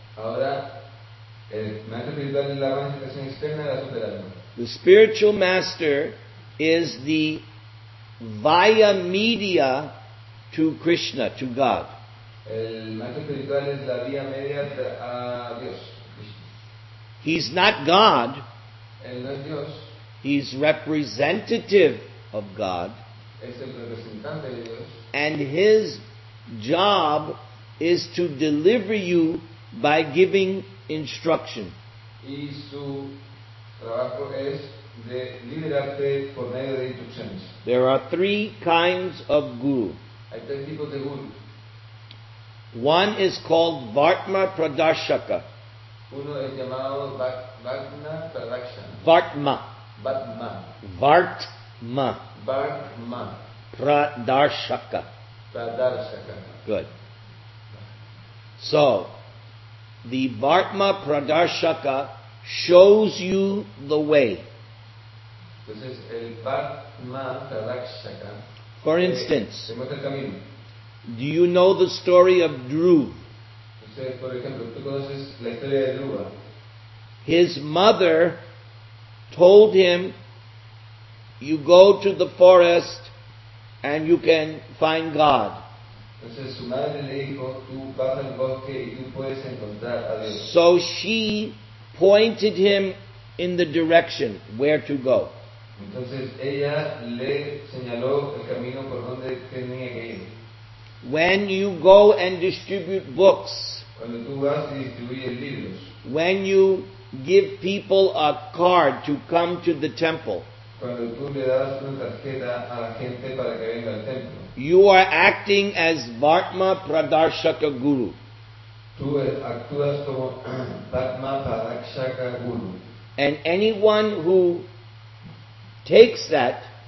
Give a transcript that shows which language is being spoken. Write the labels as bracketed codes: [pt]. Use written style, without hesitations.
[es] Ahora, el maestro espiritual es la manifestación externa de la superalma. [en] The spiritual master is the via media to Krishna, to God. [es] El maestro espiritual es la vía media a Dios. [en] He's not God. [es] Él no es Dios. [en] He's representative of God. [es] Es el representante de Dios. [en] And his job is to deliver you by giving instruction. [es] Y su trabajo es de liberarte por medio de instrucciones. [en] There are three kinds of guru. [es] Hay tres tipos de guru. [en] One is called Vartma Pradarshaka. [es] Uno es llamado Vartma Pradarshaka. [sa] Vartma. Vartma. Vartma. Vartma. Pradarshaka. Pradarshaka. [en] Good. So, the Vartma Pradarshaka shows you the way. [es] Entonces, el Vartma Pradarshaka. [en] For instance, [es] te muestra el camino. [en] Do you know the story of Dhruv? [es] Entonces, por ejemplo, ¿tú conoces la historia de Dhruv? [en] His mother told him, you go to the forest and you can find God. [es] Entonces su madre le dijo, tú vas al bosque y tú puedes encontrar a Dios. [en] So she pointed him in the direction where to go. [es] Entonces ella le señaló el camino por donde tenía que ir. [en] When you go and distribute books, [es] cuando tú vas y distribuyes libros, [en] when you give people a card to come to the temple, [es] cuando tú le das una tarjeta a la gente para que venga al templo, [en] you are acting as Vartma Pradarshaka Guru. [es] Tú actúas como Vartma Pradarshaka Guru. [en] And anyone who takes that,